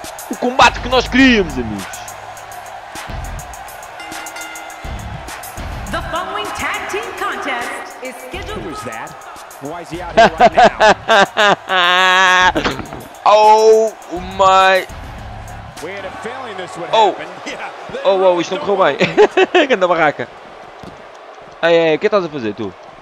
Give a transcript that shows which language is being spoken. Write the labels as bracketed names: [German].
[Portuguese] O combate que nós queríamos, amigos. [English] The following tag team contest is scheduled. Who is that? Why is he out here right now? Oh my. We had a feeling this would happen. [Portuguese] Oh, oh, isto não correu bem. Ganda barraca. Ei, ei, o que estás a fazer tu?